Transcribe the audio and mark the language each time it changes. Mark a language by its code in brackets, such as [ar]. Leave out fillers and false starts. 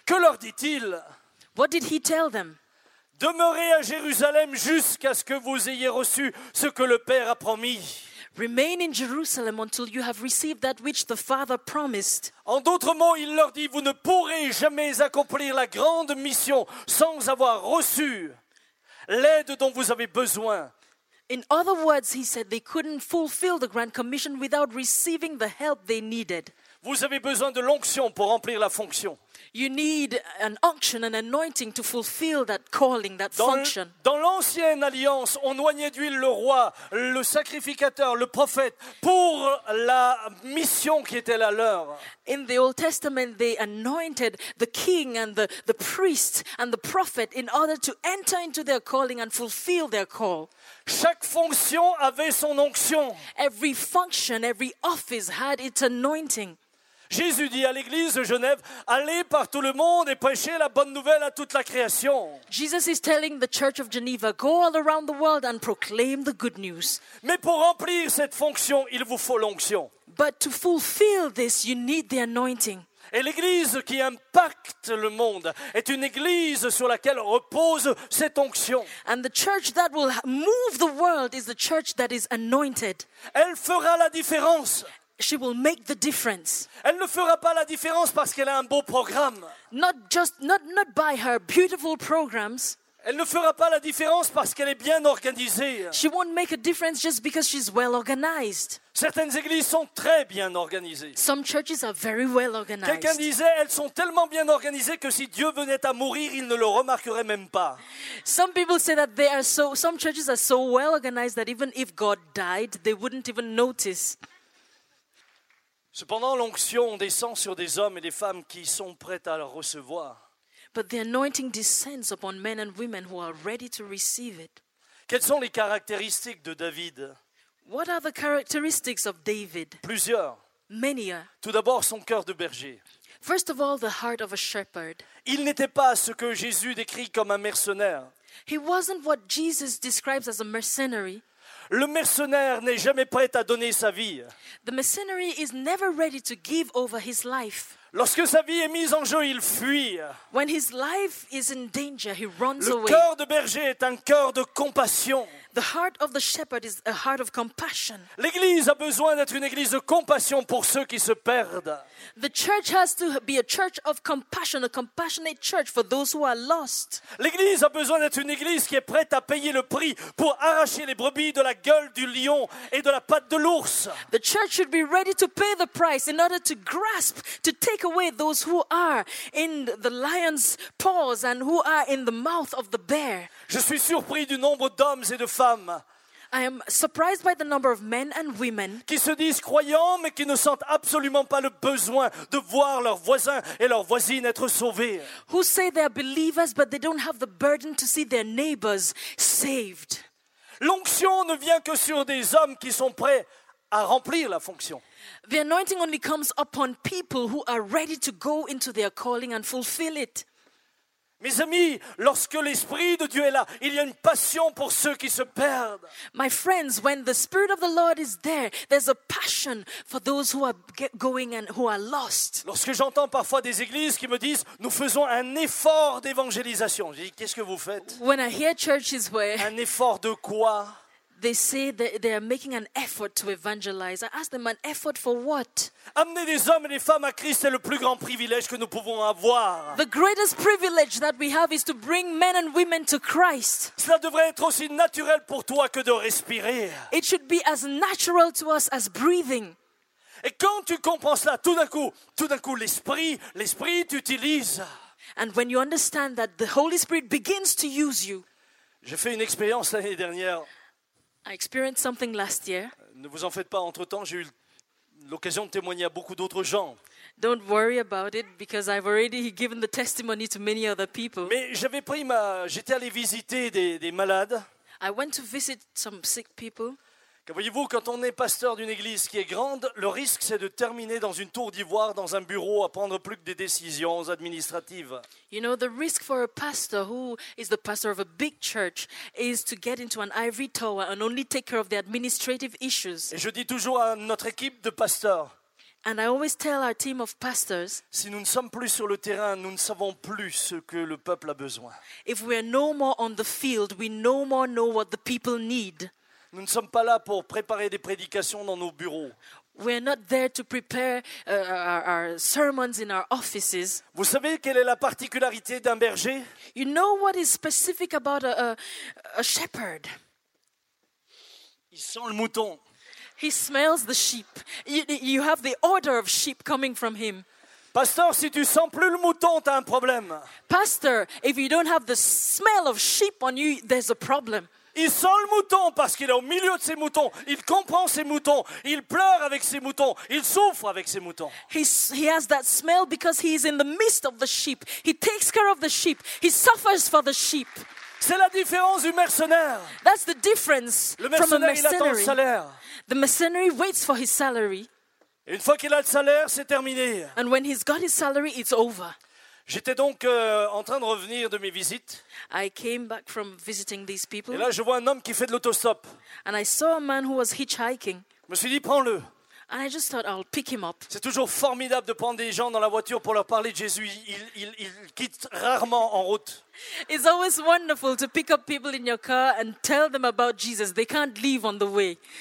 [fr] Que leur dit-il? [en] What did he tell them? [fr] Demeurez à Jérusalem jusqu'à ce que vous ayez reçu ce que le Père a promis. [en] Remain in Jerusalem until you have received that which the Father promised. [fr] En d'autres mots, il leur dit, vous ne pourrez jamais accomplir la grande mission sans avoir reçu l'aide dont vous avez besoin. [en] In other words, he said they couldn't fulfill the Grand Commission without receiving the help they needed. [fr] Vous avez besoin de l'onction pour remplir la fonction. [en] You need an unction, an anointing to fulfill that calling, that function. [fr] Dans l'ancienne alliance, on oignait d'huile le roi, le sacrificateur, le prophète pour la mission qui était la leur. [en] In the Old Testament, they anointed the king and the priest and the prophet in order to enter into their calling and fulfill their call. [fr] Chaque fonction avait son onction. [en] Every function, every office had its anointing. [fr] Jésus dit à l'église de Genève, allez par tout le monde et prêchez la bonne nouvelle à toute la création. [en] Jesus is telling the church of Geneva, go all around the world and proclaim the good news. [fr] Mais pour remplir cette fonction, il vous faut l'onction. [en] But to fulfill this, you need the anointing. [fr] Et l'église qui impacte le monde est une église sur laquelle repose cette onction. [en] And the church that will move the world is the church that is anointed. [fr] Elle fera la différence. [en] She will make the difference. [fr] Elle ne fera pas la différence parce qu'elle a un beau programme. [en] Not by her beautiful programs. [fr] Elle ne fera pas la différence parce qu'elle est bien organisée. [en] She won't make a difference just because she's well organized. [fr] Certaines églises sont très bien organisées. [en] Some churches are very well organized. [fr] Quelqu'un disait, elles sont tellement bien organisées que si Dieu venait à mourir, il ne le remarquerait même pas. [en] Some people say that they are so. Some churches are so well organized that even if God died, they wouldn't even notice. [fr] Cependant, l'onction descend sur des hommes et des femmes qui sont prêts à le recevoir. [en] But the anointing descends upon men and women who are ready to receive it. [fr] Quelles sont les caractéristiques de David? [en] What are the characteristics of David? [fr] Plusieurs. [en] Many. [fr] Tout d'abord, son cœur de berger. [en] First of all, the heart of a shepherd. [fr] Il n'était pas ce que Jésus décrit comme un mercenaire. [en] He wasn't what Jesus describes as a mercenary. [fr] Le mercenaire n'est jamais prêt à donner sa vie. [en] The mercenary is never ready to give over his life. [fr] Lorsque sa vie est mise en jeu, il fuit. [en] When his life is in danger, he runs away. [fr] Le cœur de berger est un cœur de compassion. [en] The heart of the shepherd is a heart of compassion. [fr] L'église a besoin d'être une église de compassion pour ceux qui se perdent. [en] The church has to be a church of compassion, a compassionate church for those who are lost. [fr] L'église a besoin d'être une église qui est prête à payer le prix pour arracher les brebis de la gueule du lion et de la patte de l'ours. [en] The church should be ready to pay the price in order to grasp, to take away those who are in the lion's paws and who are in the mouth of the bear. [fr] Je suis surpris du nombre d'hommes et de femmes. [en] I am surprised by the number of men and women [fr] qui se disent croyants mais qui ne sentent absolument pas le besoin de voir leurs voisins et leurs voisines être sauvés. [en] Who say they are believers but they don't have the burden to see their neighbors saved. [fr] L'onction ne vient que sur des hommes qui sont prêts à remplir la fonction. [en] The anointing only comes upon people who are ready to go into their calling and fulfill it. [fr] Mes amis, lorsque l'Esprit de Dieu est là, il y a une passion pour ceux qui se perdent. [en] My friends, when the Spirit of the Lord is there, there's a passion for those who are going and who are lost. [fr] Lorsque j'entends parfois des églises qui me disent, nous faisons un effort d'évangélisation. Je dis, qu'est-ce que vous faites? [en] When I hear churches where... [fr] Un effort de quoi? [en] They say that they are making an effort to evangelize. I ask them, an effort for what? [fr] Amener des hommes et des femmes à Christ est le plus grand privilège que nous pouvons avoir. [en] The greatest privilege that we have is to bring men and women to Christ. [fr] Cela devrait être aussi naturel pour toi que de respirer. [en] It should be as natural to us as breathing. [fr] Et quand tu comprends cela, tout d'un coup, l'esprit t'utilise. [en] And when you understand that the Holy Spirit begins to use you. [fr] J'ai fait une expérience l'année dernière. [en] I experienced something last year. [fr] Ne vous en faites pas, entre-temps, j'ai eu l'occasion de témoigner à beaucoup d'autres gens. [en] Don't worry about it because I've already given the testimony to many other people. [fr] Mais j'étais allé visiter des malades. [en] I went to visit some sick people. [fr] Que voyez-vous, quand on est pasteur d'une église qui est grande, le risque c'est de terminer dans une tour d'ivoire, dans un bureau, à prendre plus que des décisions administratives. [en] You know, the risk for a pastor who is the pastor of a big church is to get into an ivory tower and only take care of the administrative issues. [fr] Et je dis toujours à notre équipe de pasteurs. [en] And I always tell our team of pastors. [fr] Si nous ne sommes plus sur le terrain, nous ne savons plus ce que le peuple a besoin. [en] If we are no more on the field, we no more know what the people need. [fr] Nous ne sommes pas là pour préparer des prédications dans nos bureaux. [en] We are not there to prepare our sermons in our offices. [fr] Vous savez quelle est la particularité d'un berger? [en] You know what is specific about a shepherd? [fr] Il sent le mouton. [en] He smells the sheep. You have the odor of sheep coming from him. [fr] Pasteur, si tu sens plus le mouton, t'as un problème. [en] Pastor, if you don't have the smell of sheep on you, there's a problem. [fr] Il sent le mouton parce qu'il est au milieu de ses moutons. Il comprend ses moutons. Il pleure avec ses moutons. Il souffre avec ses moutons. [en] He has that smell because he is in the midst of the sheep. He takes care of the sheep. He suffers for the sheep. [fr] C'est la différence du mercenaire. [en] That's the difference from a mercenary. [fr] Le mercenaire, il attend le salaire. [en] The mercenary waits for his salary. [fr] Et une fois qu'il a le salaire, c'est terminé. [en] And when he's got his salary, it's over. [fr] J'étais donc en train de revenir de mes visites. [en] I came back from visiting these people. [fr] Et là, je vois un homme qui fait de l'autostop. [en] And I saw a man who was hitchhiking. [fr] Je me suis dit, prends-le. [en] And I just thought, I'll pick him up. [fr] C'est toujours formidable de prendre des gens dans la voiture pour leur parler de Jésus. Il quitte rarement en route. [en] It's always wonderful to pick up people in your car and tell them about Jesus. They can't leave on the way.